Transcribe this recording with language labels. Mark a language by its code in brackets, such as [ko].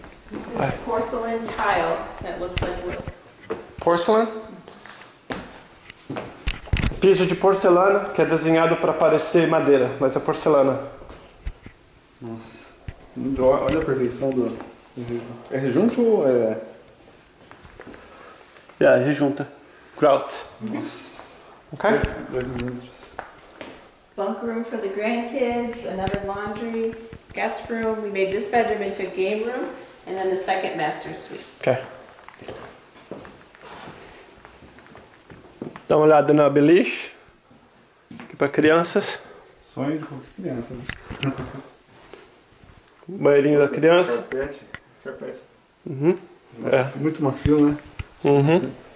[en] This is porcelain tile that looks like wood. Porcelain? [pt] piso de porcelana que é desenhado para parecer madeira, mas é porcelana. Nossa, olha a perfeição do... É rejunto ou é... É, yeah, rejunta. Grout. Nossa. Ok? 2 minutos. [en] Bunk room for the grandkids, another laundry, guest room. We made this bedroom into a game room, and then the second master suite. [pt] Ok. Dá uma olhada na beliche. Aqui pra crianças. Sonho de criança, né? Banheirinho da criança. Carpete. Uhum. Nossa, é. Muito macio, né? Uhum.